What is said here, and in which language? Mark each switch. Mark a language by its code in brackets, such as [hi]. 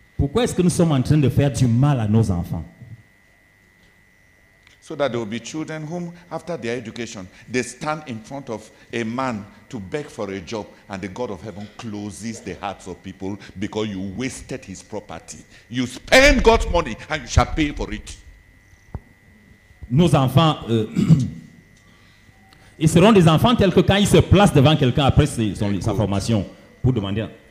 [fr] Pourquoi est-ce que nous sommes en train de faire du mal à nos enfants? [en] So that there will be children whom, after their education, they stand in front of a man to beg for a job, and the God of heaven closes the hearts of people because you wasted his property. You spend God's money and you shall pay for it. [fr] Nos enfants, ils seront des enfants tels que quand ils se placent devant quelqu'un après sa formation pour demander.